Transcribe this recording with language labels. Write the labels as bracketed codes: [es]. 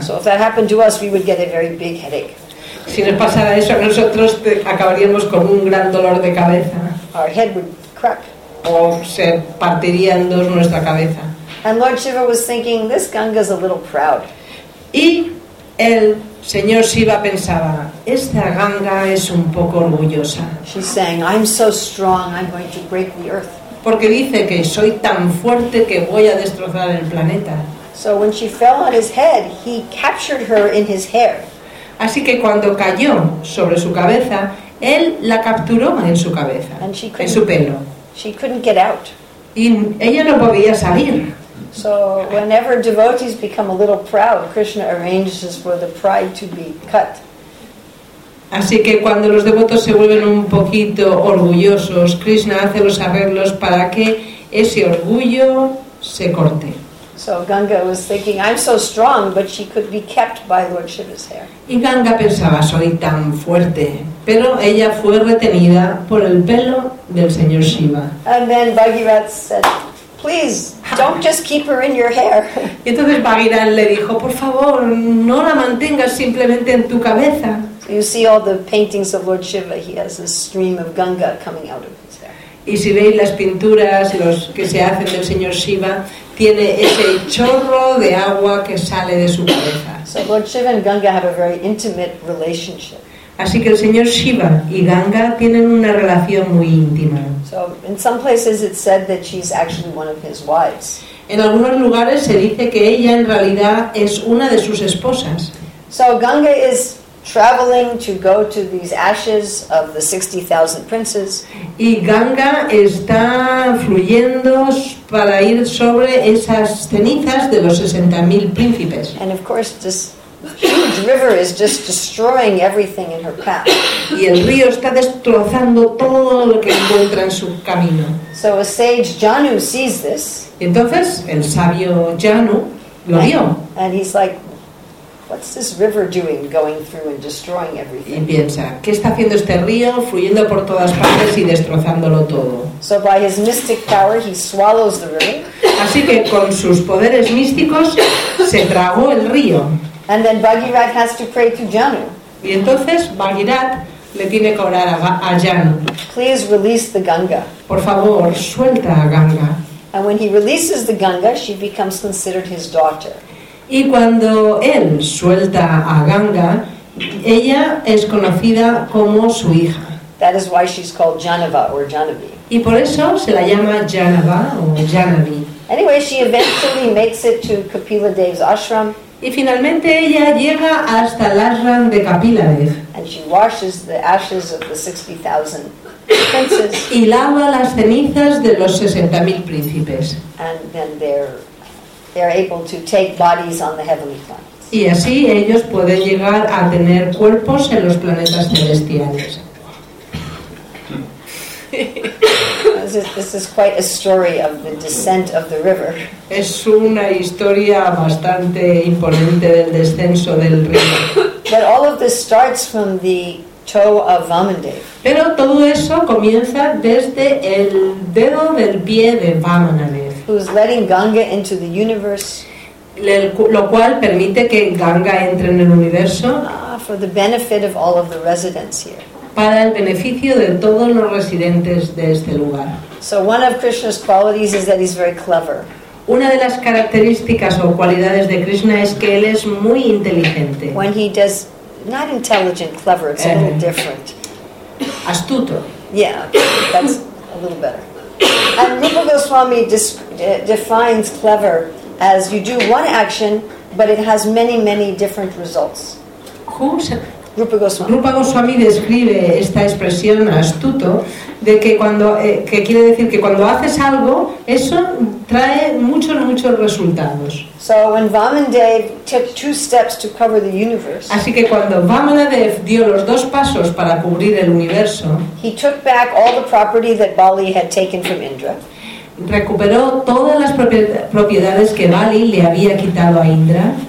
[en] So if that happened to us, we would get a very big headache. [es] Si nos pasara eso, nosotros acabaríamos con un gran dolor de cabeza. [en] Our head would crack. [es] O se partiría en dos nuestra cabeza. [en] And Lord Shiva was thinking, this Ganga is a little proud. [es] Y el señor Shiva pensaba, esta Ganga es un poco orgullosa. [en] She's saying, I'm so strong, I'm going to break the earth. [es] Porque dice que soy tan fuerte que voy a destrozar el planeta. [en] So when she fell on his head, he captured her in his hair. [es] Así que cuando cayó sobre su cabeza, él la capturó en su cabeza, [en] and she [es] en su pelo. [en] She couldn't get out. [es] Y ella no podía salir. [en] So whenever devotees become a little proud, Krishna arranges for the pride to be cut. [es] Así que cuando los devotos se vuelven un poquito orgullosos, Krishna hace los arreglos para que ese orgullo se corte. [en] So Ganga was thinking, I'm so strong, but she could be kept by Lord Shiva's hair. [es] Y Ganga pensaba, soy tan fuerte, pero ella fue retenida por el pelo del señor Shiva. [en] And then Bhagirath said, please, don't just keep her in your hair. [es] Y entonces Bhagirath le dijo, por favor, no la mantengas simplemente en tu cabeza. [en] So you see all the paintings of Lord Shiva, he has a stream of Ganga coming out of his hair. [es] Y si veis las pinturas los que se hacen del señor Shiva, tiene ese chorro de agua que sale de su cabeza. [en] So Lord Shiva and Ganga have a very intimate relationship. [es] Así que el señor Shiva y Ganga tienen una relación muy íntima. [en] So in some places it's said that she's actually one of his wives. [es] En algunos lugares se dice que ella en realidad es una de sus esposas. [en] So Ganga is traveling to go to these ashes of the 60,000 princes. [es] Y Ganga está fluyendo para ir sobre esas cenizas de los 60,000 príncipes. [en] And of course, this huge river is just destroying everything in her path. [es] Y el río está destrozando todo lo que encuentra en su camino. [en] So a sage Janu sees this. [es] Entonces el sabio Janu lo vio. [en] And he's like, what's this river doing, going through and destroying everything? [es] Y piensa, ¿qué está haciendo este río, fluyendo por todas partes y destrozándolo todo? [en] So by his mystic power, he swallows the river. [es] Así que con sus poderes místicos se tragó el río. [en] And then Bhagirath has to pray to Janu. [es] Y entonces Bhagirath le tiene que orar a Janu. [en] Please release the Ganga. [es] Por favor, suelta a Ganga. [en] And when he releases the Ganga, she becomes considered his daughter. [es] Y cuando él suelta a Ganga, ella es conocida como su hija. [en] That is why she's called Janava or Janavi. [es] Y por eso se la llama Janava o Janavi. [en] Anyway, she eventually makes it to Kapila Dev's ashram. [es] Y finalmente ella llega hasta el ashram de Kapila Dev. [en] And she washes the ashes of the 60,000 princes. [es] Y lava las cenizas de los 60,000 príncipes. [en] And then they're able to take bodies on the heavenly planets. [es] Y así ellos pueden llegar a tener cuerpos en los planetas celestiales. [en] This is quite a story of the descent of the river. [es] Es una historia bastante imponente del descenso del río. [en] But all of this starts from the toe of Vamandev. [es] Pero todo eso comienza desde el dedo del pie de Vamandev. [en] Who's letting Ganga into the universe? [es] Lo cual permite que Ganga entre en el universo. [en] For the benefit of all of the residents here. [es] Para el beneficio de todos los residentes de este lugar. [en] So one of Krishna's qualities is that he's very clever. [es] Una de las características o cualidades de Krishna es que él es muy inteligente. [en] When he does not intelligent, clever, it's a little different. [es] Astuto. [en] Yeah, that's a little better. And Rupa Goswami defines clever as you do one action, but it has many, many different results. [es] Rupa Goswami. Rupa Goswami describe esta expresión astuto de que cuando que quiere decir que cuando haces algo, eso trae muchos, muchos resultados. [en] So when Vamandev took two steps to cover the universe, [es] así que cuando Vamandev dio los dos pasos para cubrir el universo, [en] he took back all the property that Bali had taken from Indra. [es] Recuperó todas las propiedades que Bali le había quitado a Indra.